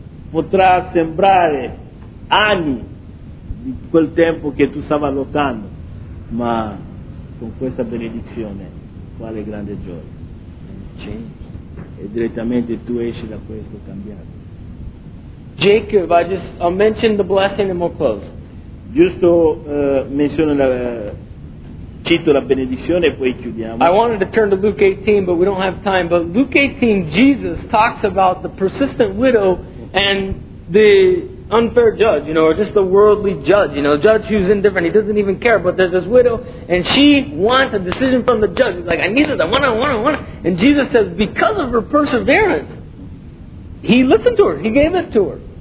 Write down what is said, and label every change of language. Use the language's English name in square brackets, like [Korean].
[Italian] Potrà sembrare anni di quel tempo che tu stava lottando, ma con questa benedizione, quale grande gioia. [English] Change. [Italian] E direttamente tu esci da questo cambiato. [English] Jacob, I'll mention the blessing and we'll close. [Italian] Giusto, menziono la. Cito la benedizione e poi chiudiamo. [English] I wanted to turn to Luke 18, but we don't have time. But Luke 18, Jesus talks about the persistent widow and the unfair judge, you know, or just the worldly judge, you know, judge who's indifferent. He doesn't even care, but there's this widow, and she wants a decision from the judge. He's like, I need it, I want it. And Jesus says, because of her perseverance, He listened to her, He gave it to her.